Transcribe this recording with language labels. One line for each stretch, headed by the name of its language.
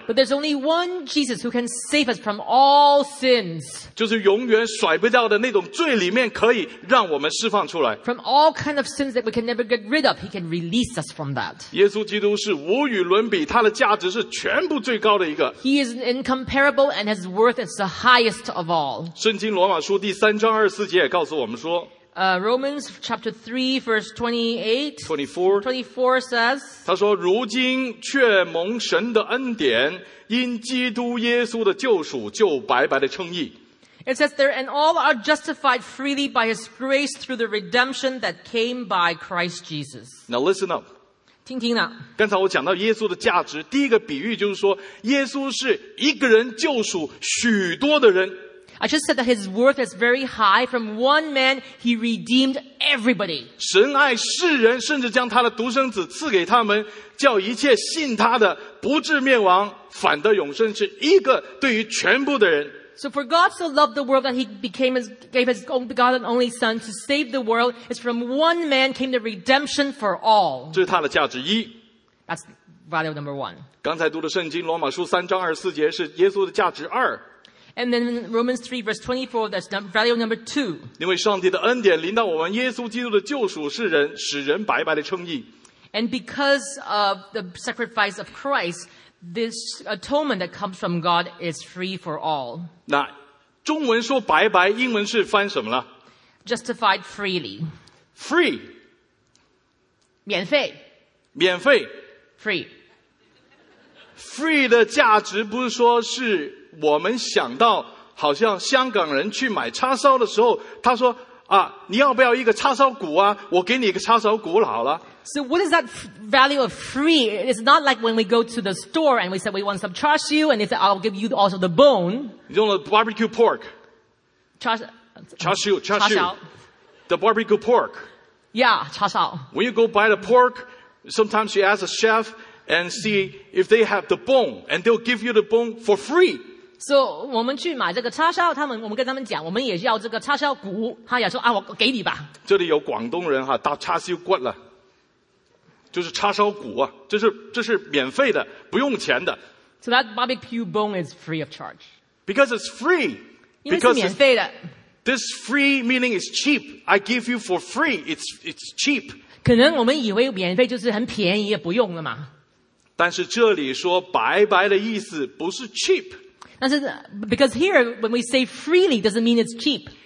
English: But there's only one Jesus who can save us from all sins.
Chinese: 就是永远甩不掉的那种罪里面可以让我们释放出来。
English: From all kinds of sins that we can never get rid of, he can release us from that.
Chinese: 耶稣基督是无与伦比，他的价值是全部最高的一个。
English: He is incomparable and his worth is the highest of all.
Chinese: 圣经罗马书第三章二十四节也告诉我们说
English: Romans chapter 3 verse 28 24 says
Chinese: 他说如今却蒙神的恩典因基督耶稣的救赎就白白的称义
English: It says there and all are justified freely by his grace through the redemption that came by Christ Jesus Now listen up
Chinese: 听听呢刚才我讲到耶稣的价值第一个比喻就是说耶稣是一个人救赎许多的人
English: I just said that his worth is very high. From one man, he redeemed everybody.
Chinese: 神爱世人，甚至将他的独生子赐给他们，叫一切信他的不至灭亡，反得永生，是一个对于全部的人。
English: So for God so loved the world that he became his, gave his own begotten only son to save the world, it's from one man came the redemption for all.
Chinese: 这是他的价值一。
English: That's value number one.
Chinese: 刚才读的圣经，罗马书三章二十四节是耶稣的价值二。
English: And then Romans 3 verse 24, that's value number two.
Chinese: 因为上帝的恩典临到我们耶稣基督的救赎世人，使人白白的称义。
English: And because of the sacrifice of Christ, this atonement that comes from God is free for all.
Chinese: 那中文说白白，英文是翻什么了？
English: Justified freely. Free.
Chinese: 免费。免费。
English: Free.
Chinese: Free 的价值不是说是我们想到好像香港人去买叉烧的时候，他说啊，你要不要一个叉烧骨啊？我给你一个叉烧骨好了。
English: So what is that value of free? It's not like when we go to the store and we said we want some char siu and they said I'll give you also the bone.
Chinese: 你用了
English: barbecue pork. Char siu. The barbecue pork. Yeah, 叉烧。 When you go buy the pork, sometimes you ask the chef and see if they have the bone, and they'll give you the bone for free.
Chinese: So, 我们去买这个叉烧，他们我们跟他们讲，我们也要这个叉烧骨。他也说啊，我给你吧。这里有广东人哈，打叉烧骨了，就是叉烧骨啊，这是免费的，不用钱的。
English: So that barbecue bone is free of charge. Because it's free.
Chinese: 因为是免费的。
English: This free meaning is cheap. I give you for free. It's cheap.
Chinese: 可能我们以为免费就是很便宜，不用了嘛。但是这里说白白的意思不是 cheap.
English: Because here, when we say freely, doesn't mean it's cheap.